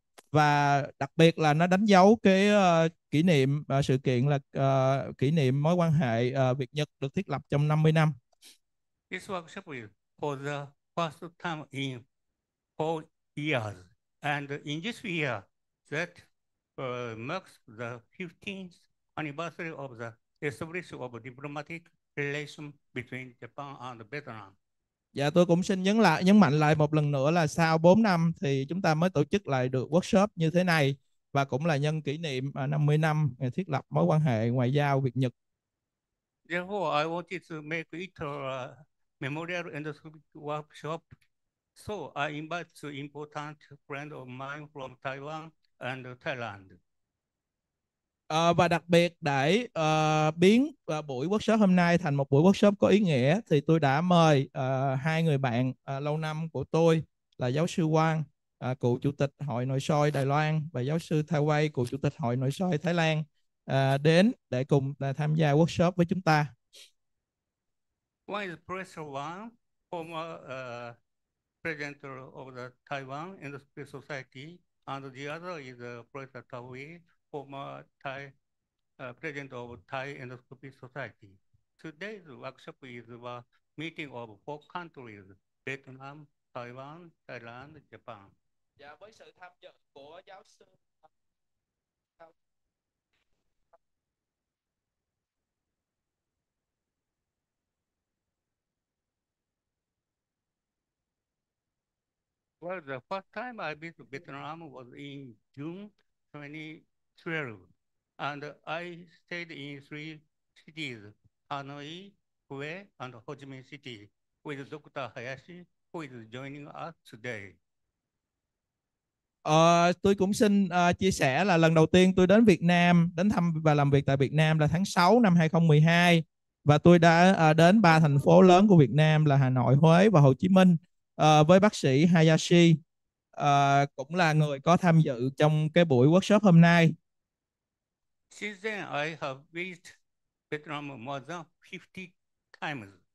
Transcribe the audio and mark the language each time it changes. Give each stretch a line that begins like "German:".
Vietnamese: Và đặc biệt là nó đánh dấu cái kỷ niệm sự kiện là kỷ niệm mối quan hệ Việt Nhật được thiết lập trong 50 năm.
English: This workshop is for the first time in 4 years, and in this year that marks the 15th anniversary of the establishment of a diplomatic relation between Japan and Vietnam.
Vietnamese: Dạ, tôi cũng xin nhấn mạnh lại một lần nữa là sau 4 năm thì chúng ta mới tổ chức lại được workshop như thế này và cũng là nhân kỷ niệm 50 năm thiết lập mối quan hệ ngoại giao Việt-Nhật.
English: Therefore, I wanted to make it a memorial endoscopic workshop. So I invite two important friends of mine from Taiwan and Thailand.
Vietnamese: Và đặc biệt để biến buổi workshop hôm nay thành một buổi workshop có ý nghĩa thì tôi đã mời hai người bạn lâu năm của tôi là giáo sư Quang, cựu chủ tịch Hội Nội soi Đài Loan và giáo sư Thao Quay, cựu chủ tịch Hội Nội soi Thái Lan đến để cùng tham gia workshop với chúng ta.
English: One is Professor Wang, former president of the Taiwan Industry Society, and the other is Professor Thao Quay, former Thai president of Thai Endoscopy Society. Today's workshop is a meeting of 4 countries: Vietnam, Taiwan, Thailand, Japan.
Vietnamese: Dạ, với sự tham dự của giáo sư.
English: Well, the first time I been to Vietnam was in June 2012, and I stayed in 3 cities, Hanoi, Hue, and Ho Chi Minh City, with Dr. Hayashi, who is joining us today.
Vietnamese: Tôi cũng xin chia sẻ là lần đầu tiên tôi đến Việt Nam, đến thăm và làm việc tại Việt Nam là tháng 6 năm 2012, và tôi đã đến 3 thành phố lớn của Việt Nam là Hà Nội, Huế và Hồ Chí Minh với bác sĩ Hayashi. Cũng là người có tham dự trong cái buổi workshop hôm nay.
English: Since then, I have visited Vietnam more than 50 times.